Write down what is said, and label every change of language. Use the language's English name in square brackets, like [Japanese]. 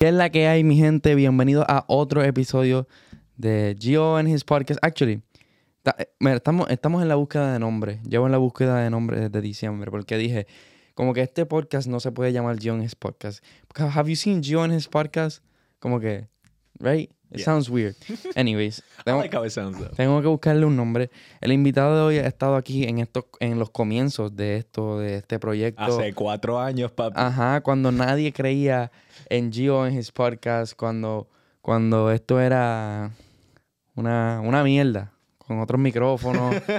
[Spanish] ¿Qué es la que hay, mi gente? Bienvenido a otro episodio de Gio and His Podcast. [English] Actually, [Spanish] estamos en la búsqueda de nombre. Llevo en la búsqueda de nombre desde diciembre porque dije, como que este podcast no se puede llamar Gio and His Podcast. [English] Have you seen Gio and His Podcast? [Spanish] Como que, [English] right? It sounds weird. Anyways, I like how it sounds, though. [Spanish] Tengo que buscarle un nombre. El invitado de hoy ha estado aquí en los comienzos de esto, de este proyecto. Hace 4 años, papi. Ajá, cuando nadie creía en Gio en His Podcast, cuando esto era una mierda, con otros micrófonos.